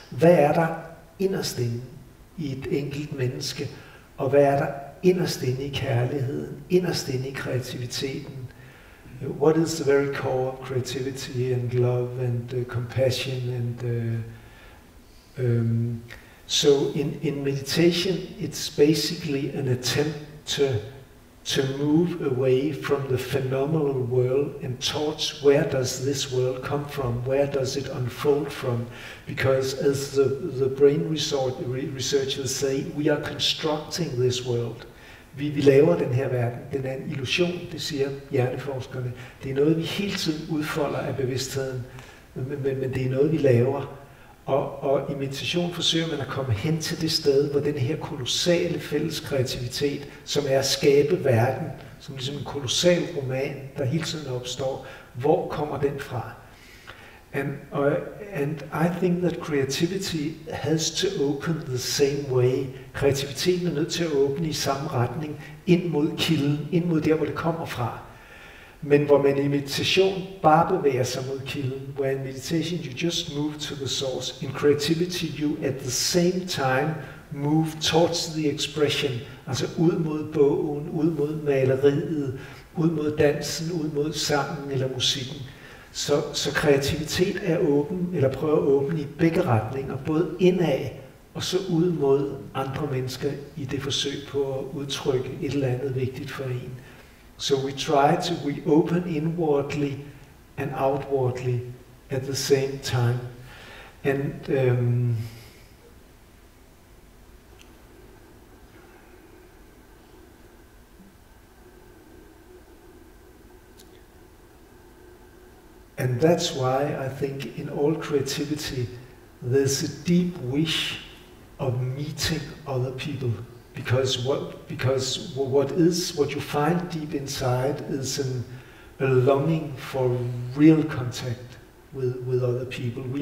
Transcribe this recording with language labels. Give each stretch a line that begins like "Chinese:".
Danish: Hvad er der inderst inde i et enkelt menneske? Og hvad er der inderst inde i kærligheden, inderst inde i kreativiteten?
English: What is the very core of creativity and love and compassion and so in meditation it's basically an attempt to move away from the phenomenal world and towards where does this world come from, where does it unfold from, because as the brain researchers say, we are constructing this world.
Danish: Vi laver den her verden. Den er en illusion, det siger hjerneforskerne. Det er noget, vi hele tiden udfolder af bevidstheden, men det er noget, vi laver. Og i meditation forsøger man at komme hen til det sted, hvor den her kolossale fælles kreativitet, som er at skabe verden, som ligesom en kolossal roman, der hele tiden opstår, hvor kommer den fra?
English: And I think that creativity has to open the same way.
Danish: Kreativiteten er nødt til at åbne i samme retning, ind mod kilden, ind mod der, hvor det kommer fra. Men hvor man i meditation bare bevæger sig mod kilden, where in meditation you just move to the source. In creativity you at the same time move towards the expression, altså ud mod bogen, ud mod maleriet, ud mod dansen, ud mod sangen eller musikken. Så kreativitet er åben, eller prøver at åbne i begge retninger, både indad og så ud mod andre mennesker i det forsøg på at udtrykke et eller andet vigtigt for en.
English: So we try to we open inwardly and outwardly at the same time. And and that's why I think in all creativity there's a deep wish of meeting other people, because what you find deep inside is a longing for real contact with other people.